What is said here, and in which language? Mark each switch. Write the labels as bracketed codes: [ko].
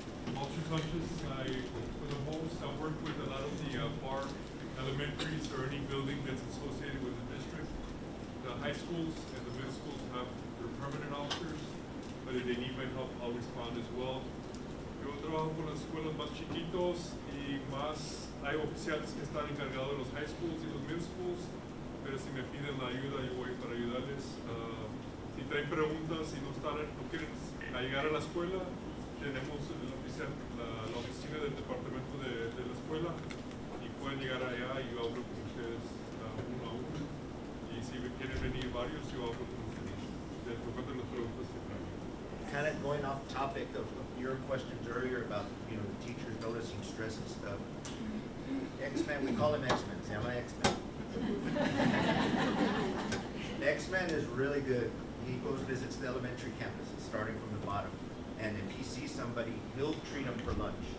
[en] Ultra conscious, I, for the most, I work with a lot of the bar elementaries or any building that's associated with the district. The high schools and the middle schools have their permanent officers, but if they need my help, I'll respond as well. [es] Yo trabajo con las escuelas más chiquitos y más hay oficiales que están encargados de los high schools y los middle schools, pero si me piden la ayuda, yo voy para ayudarles. Si traen preguntas y no quieren llegar a la escuela, tenemos la oficina del departamento de la escuela y pueden llegar allá y yo hablo con ustedes uno a uno. Y si quieren venir varios, yo hablo con ustedes. De tocar de las preguntas que traen. [en] Kind of going off topic of your questions earlier about, you know, the teachers noticing stress and stuff. X-Men, we call him X-Men. Say, I'm an X-Men. X-Men is really good. He goes visits the elementary campuses, starting from the bottom. And if he sees somebody, he'll treat them for lunch.